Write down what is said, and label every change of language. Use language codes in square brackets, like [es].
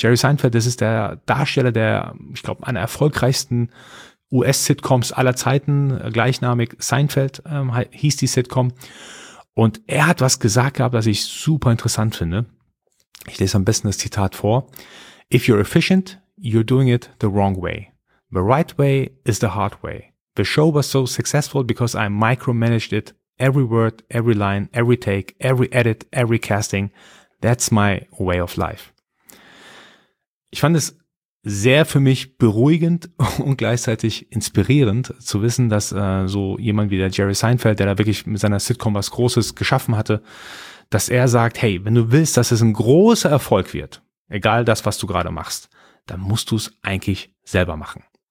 [de] Jerry Seinfeld, das ist der Darsteller der, ich glaube, einer erfolgreichsten US-Sitcoms aller Zeiten, gleichnamig Seinfeld hieß die Sitcom. Und er hat was gesagt gehabt, was ich super interessant finde. Ich lese am besten das Zitat vor. [en] If you're efficient, you're doing it the wrong way. The right way is the hard way. The show was so successful because I micromanaged it. Every word, every line, every take, every edit, every casting. That's my way of life. [de] Ich fand es sehr für mich beruhigend und gleichzeitig inspirierend zu wissen, dass so jemand wie der Jerry Seinfeld, der da wirklich mit seiner Sitcom was Großes geschaffen hatte, dass er sagt, hey, wenn du willst, dass es ein großer Erfolg wird, egal das, was du gerade machst, dann musst du es eigentlich selber machen.